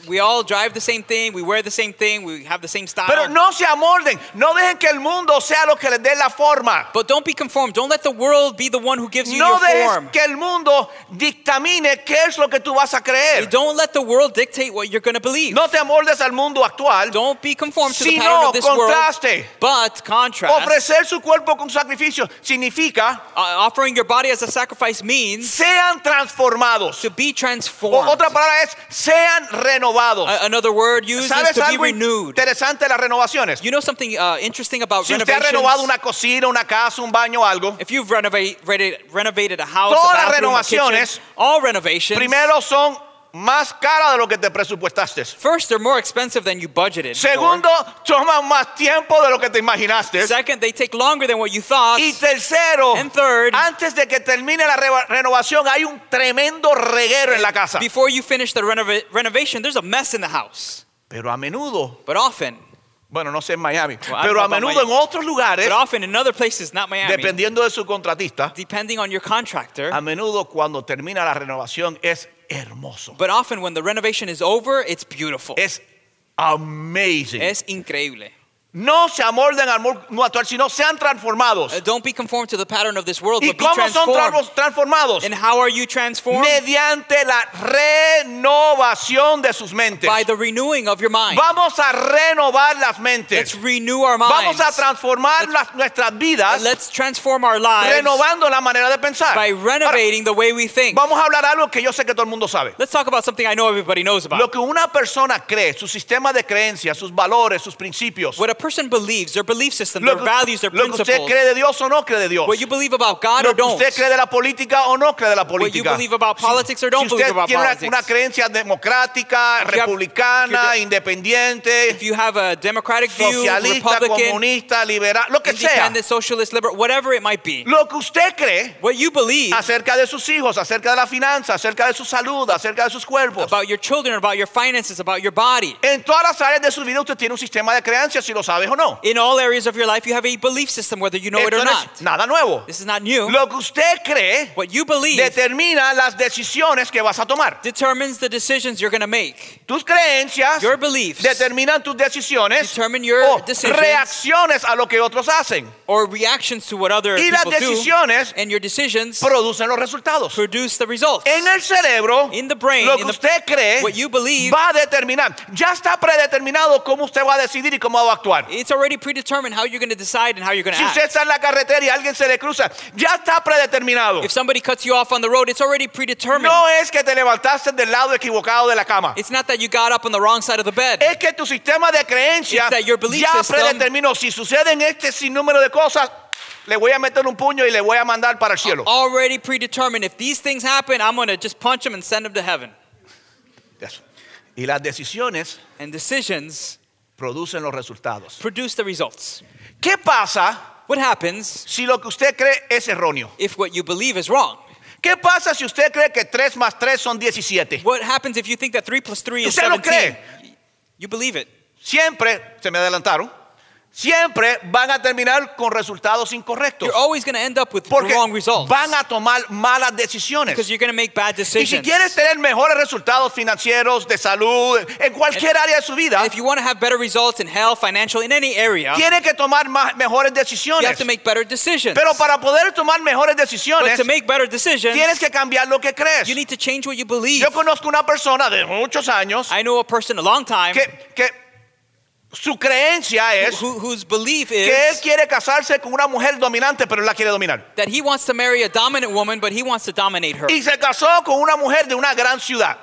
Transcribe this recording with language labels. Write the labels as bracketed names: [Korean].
[English] We all drive the same thing, we wear the same thing, we have the same style. [Spanish] Pero no se amolden. No dejen que el mundo sea lo que les dé la forma. [English] But don't be conformed. Don't let the world be the one who gives you [Spanish] no [English] your form. [Spanish] No dejes que el mundo dictamine que es lo que tú vas a creer. [English] You don't let the world dictate what you're going to believe. [Spanish] No te amoldes al mundo actual. [English] Don't be conformed to [Spanish] sino [English] the pattern of this [Spanish] contraste. [English] World. But contrast. [Spanish] Ofrecer su cuerpo con sacrificio significa [English] offering your body as a sacrifice means [Spanish] sean transformados. [English] To be transformed. [Spanish] Otra palabra es sean renovados. [English] Another word used is to be renewed. [Spanish] Interesante las renovaciones. [English] You know something interesting about [Spanish] si [English] renovations? [Spanish] Si usted ha renovado una cocina, una casa, un baño, algo. [English] If you've renovated a house, [Spanish] todas [English] a bathroom, [Spanish] las renovaciones, [English] a kitchen, all renovations. [Spanish] Primero son más caras de lo que te presupuestaste. [English] First, they're more expensive than you budgeted. [Spanish] Segundo, [English] for. [Spanish] Toman más tiempo de lo que te imaginaste. [English] Second, they take longer than what you thought. [Spanish] Y tercero, [English] and third, [Spanish] antes de que termine la renovación, hay un tremendo reguero en la casa. [English] Before you finish the renovation, there's a mess in the house. [Spanish] Pero a menudo. [English] But often. [Spanish] Bueno, no sé en Miami, pero a menudo en otros lugares, [English] but often in other places, not Miami, [Spanish] dependiendo de su contratista, [English] depending on your contractor, [Spanish] a menudo cuando termina la renovación es hermoso. [English] But often when the renovation is over, it's beautiful. [Spanish] Es amazing. Es increíble. No se amolden al mundo actual, sino sean transformados. [English] Don't be conformed to the pattern of this world, [Spanish] ¿y [English] but cómo be [Spanish] transformed? Son transformados? [English] And how are you transformed? [Spanish] Mediante la renovación de sus mentes. [English] By the renewing of your mind. [Spanish] Vamos a renovar las mentes. [English] Let's renew our minds. [Spanish] Vamos a transformar nuestras vidas. [English] Let's transform our lives. [Spanish] Renovando la manera de pensar. [English] By renovating the way we think. [Spanish] Vamos a hablar algo que yo sé que todo el mundo sabe. [English] Let's talk about something I know everybody knows about. [Spanish] Lo que una persona cree, su sistema de creencias, sus valores, sus principios. [English] Person believes, their belief system, their values, their principles. [Spanish] Lo que usted cree de Dios o no cree de Dios. [English] What you believe about God or don't. [Spanish] Lo que usted cree de la política o no cree de la política. [English] What you believe about politics or don't believe about politics. [Spanish] Si usted tiene una creencia democrática, republicana, independiente, [English] if you have a democratic view, [Spanish] socialista, [English] Republican, [Spanish] comunista, liberal, lo que sea. [English] Independent, socialist, liberal, whatever it might be. [Spanish] Lo que usted cree, [English] what you believe, [Spanish] acerca de sus hijos, acerca de la finanza, acerca de su salud, acerca de sus cuerpos. [English] About your children, about your finances, about your body. [Spanish] En todas las áreas de su vida usted tiene un sistema de creencias, si lo sabe. [English] In all areas of your life, you have a belief system, whether you know [Spanish] esto [English] it or not. [Spanish] Nada nuevo. [English] This is not new. [Spanish] Lo que usted cree, [English] what you believe, [Spanish] determina las decisiones que vas a tomar. [English] Determines the decisions you're going to make. [Spanish] Tus creencias, [English] your beliefs, [Spanish] determinan tus decisiones, [English] determine your [Spanish] o [English] decisions, [Spanish] reacciones a lo que otros hacen, [English] or reactions to what other [Spanish] y [English] people [Spanish] las decisiones [English] do, and your decisions [Spanish] producen los resultados. [English] Produce the results. [Spanish] En el cerebro, [English] in the brain, [Spanish] lo que usted cree, [English] what you believe, [Spanish] va a determinar. Ya está predeterminado cómo usted va a decidir y cómo va a actuar. [English] It's already predetermined how you're going to decide and how you're going to [Spanish] si [English] act. [Spanish] Si usted está en la carretera y alguien se le cruza, ya está predeterminado. [English] If somebody cuts you off on the road, it's already predetermined. [Spanish] No es que te levantaste del lado equivocado de la cama. [English] It's not that you got up on the wrong side of the bed. [Spanish] Es que tu sistema de creencia [English] it's that your belief [Spanish] ya [English] system, [Spanish] predeterminó. Si sucede en este sinnúmero de cosas, le voy a meter un puño y le voy a mandar para el cielo. [English] Already predetermined. If these things happen, I'm going to just punch them and send them to heaven. [Spanish] Yes. Y las decisiones [English] and decisions [Spanish] producen los resultados. [English] Produce the results. [Spanish] ¿Qué pasa? [English] What happens? [Spanish] Si lo que usted cree es erróneo. [English] If what you believe is wrong. [Spanish] ¿Qué pasa si usted cree que 3 más 3 son 17? [English] What happens if you think that 3 plus 3 is [Spanish] 17? ¿Usted lo cree? [English] You believe it. [Spanish] Siempre, se me adelantaron, siempre van a terminar con resultados incorrectos. [English] You're always going to end up with wrong results. [Spanish] Porque van a tomar malas decisiones. [English] Because you're going to make bad decisions. [Spanish] Y si quieres tener mejores resultados financieros, de salud, en cualquier área de su vida. [English] And if you want to have better results in health, financial, in any area. [Spanish] Tienes que tomar mejores decisiones. [English] You have to make better decisions. [Spanish] Pero para poder tomar mejores decisiones. [English] But to make better decisions. [Spanish] Tienes que cambiar lo que crees. [English] You need to change what you believe. [Spanish] Yo conozco una persona de muchos años. [English] I know a person a long time. [Spanish] Que su creencia es [English] whose belief is [Spanish] que él quiere casarse con una mujer dominante, pero él la quiere dominar. [English] That he wants to marry a dominant woman, but he wants to dominate her. [Spanish] Y se casó con una mujer de una gran ciudad.